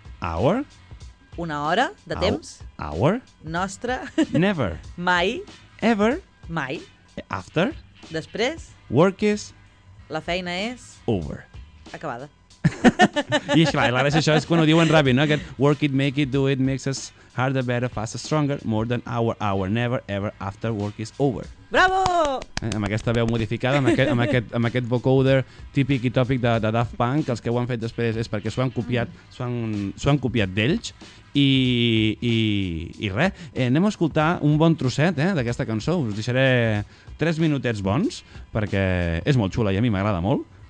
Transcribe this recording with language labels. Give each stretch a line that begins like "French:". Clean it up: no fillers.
English: Our.
Catalan: Una hora de temps.
English: Hour.
Catalan: Nostra.
English: Never.
Catalan: Mai.
English: Ever.
Catalan: Mai.
English: After.
Catalan: Després.
English: Work is.
Catalan: La feina és.
English: Over.
Catalan: Acabada. I clar, això és quan ho diuen ràpid, no?
English: Aquest work it, make it, do it, makes us harder, better, faster, stronger, more than hour, never, ever, after, work is over.
Catalan: Bravo! Amb aquesta veu modificada, amb aquest vocoder típic i tòpic de Daft Punk, els que ho han fet després és perquè s'ho han copiat d'ells i res. Anem a escoltar un bon trosset d'aquesta cançó. Us deixaré 3 minutets bons perquè és molt xula i a mi m'agrada molt.